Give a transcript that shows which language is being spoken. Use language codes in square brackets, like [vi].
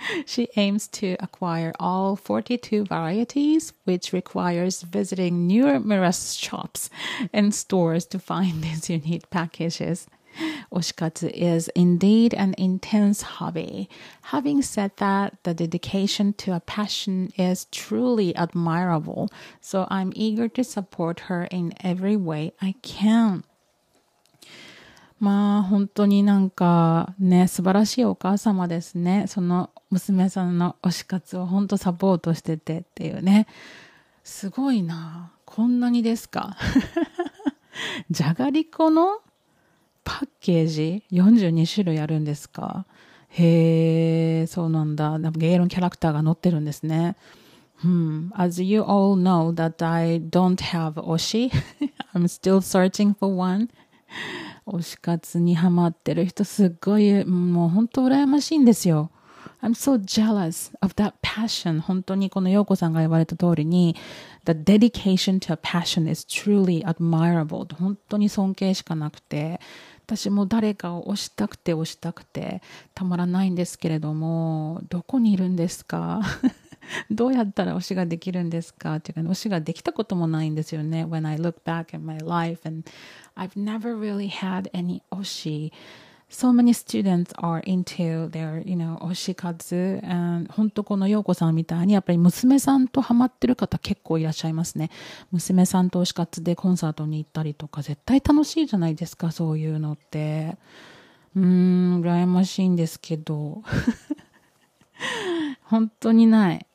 [en] She aims to acquire all 42 varieties, which requires visiting numerous shops and stores to find these unique packages. Oshikatsu is indeed an intense hobby. Having said that, the dedication to a passion is truly admirable, so I'm eager to support her in every way I can. [ja] まあ本当になんかね、素晴らしいお母様ですね。その娘さんの推し活を本当サポートしててっていうね。すごいな、こんなにですか。じゃがりこのパッケージ42種類あるんですか。へえ、そうなんだ。ゲームのキャラクターが載ってるんですね。 [en] As you all know that I don't have 推し。 I'm still searching for one. [ja] 推し活にハマってる人すごい、もう本当羨ましいんですよ。 [en] I'm so jealous of that passion. [ja] 本当にこの陽子さんが言われた通りに、 [en] The dedication to a passion is truly admirable. [ja] 本当に尊敬しかなくて、私も誰かを推したくて推したくてたまらないんですけれども、どこにいるんですか？どうやったら推しができるんですか？っていうか、推しができたこともないんですよね。 [en] When I look back at my life and I've never really had any 推し。 So many students are into their, you know, 推し活. [ja] And 本当この陽子さんみたいにやっぱり娘さんとハマってる方結構いらっしゃいますね。娘さんと推し活でコンサートに行ったりとか絶対楽しいじゃないですか、そういうのって。羨ましいんですけど。本当にない。